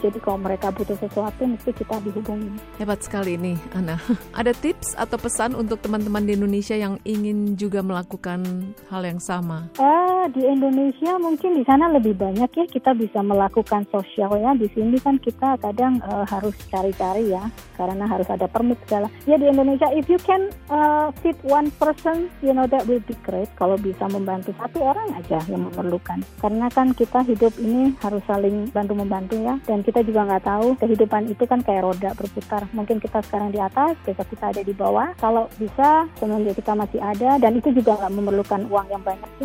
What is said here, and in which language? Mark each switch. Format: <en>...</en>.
<id>Jadi kalau mereka butuh sesuatu, mesti kita dihubungi. Hebat sekali ini, Ana. Ada tips atau pesan untuk teman-teman di Indonesia yang ingin juga melakukan hal yang sama? Di Indonesia mungkin di sana lebih banyak ya, kita bisa melakukan sosial ya. Di sini kan kita kadang harus cari-cari ya, karena harus ada permit segala. Ya di</id> <en>Indonesia, if you can feed one person, you know that will be great.</en> <id>Kalau bisa membantu satu orang aja yang memerlukan. Karena kan kita hidup ini harus saling bantu-membantu ya. Dan kita juga nggak tahu, kehidupan itu kan kayak roda berputar. Mungkin kita sekarang di atas, besok kita ada di bawah. Kalau bisa, semenjak kita masih ada, dan itu juga nggak memerlukan uang yang banyak ya.</id>